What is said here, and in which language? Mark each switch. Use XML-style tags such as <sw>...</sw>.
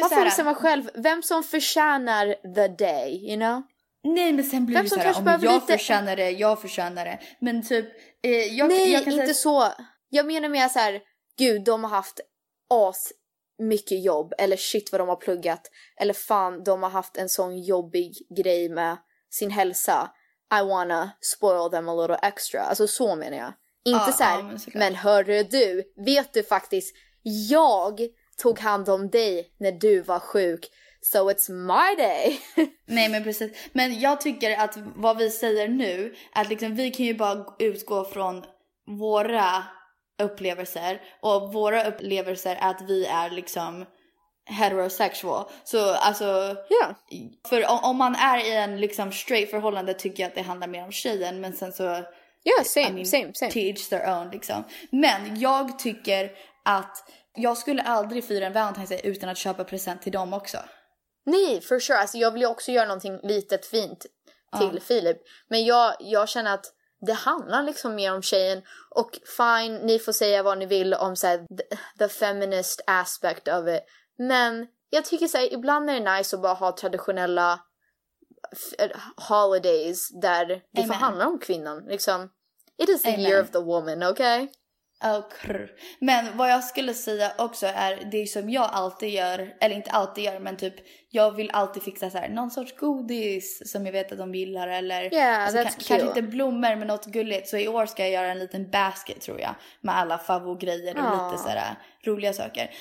<sv>man får bestämma själv vem som förtjänar</sv> <en>the day, you know?</en> <sv>Nej, men sen blir vem det som så här, kanske om jag lite... förtjänar det. Men typ, jag kan inte säga... så. Jag menar mer så här, gud, de har haft as mycket jobb. Eller shit vad de har pluggat. Eller fan, de har haft en sån jobbig grej med sin hälsa.</sv> <en>I wanna spoil them a little extra.</en> <sv>Alltså så menar jag. Inte så här, men hörru du, vet du faktiskt, jag tog hand om dig när du var sjuk.</sv> <en>So it's my day.</en> <sv>Nej, men precis. Men jag tycker att vad vi säger nu, att liksom vi kan ju bara utgå från våra upplevelser. Och våra upplevelser är att vi är liksom... heterosexual. Så alltså för om man är i en liksom straight förhållande tycker jag att det handlar mer om tjejen, men sen så</sv> <en>same. To each their own</en> <sv>liksom. Men jag tycker att jag skulle aldrig fira en Valentine's Day utan att köpa present till dem också. Nej,</sv> <en>for sure.</en> <sv>Alltså, jag vill ju också göra någonting litet fint till Filip, men jag känner att det handlar liksom mer om tjejen. Och fine, ni får säga vad ni vill om så här,</sv> <en>the feminist aspect of it.</en> <sv>Men jag tycker så här, ibland är det nice att bara ha traditionella holidays där det får handla om kvinnan. Liksom.</sv> <en>It is the year of the woman, okay? Okay.</en> <sv>Men vad jag skulle säga också är det som jag alltid gör, eller inte alltid gör, men typ jag vill alltid fixa så här, någon sorts godis som jag vet att de gillar. Eller, kanske inte blommor men något gulligt. Så i år ska jag göra en liten basket tror jag med alla favoritgrejer och lite så här roliga saker.</sv>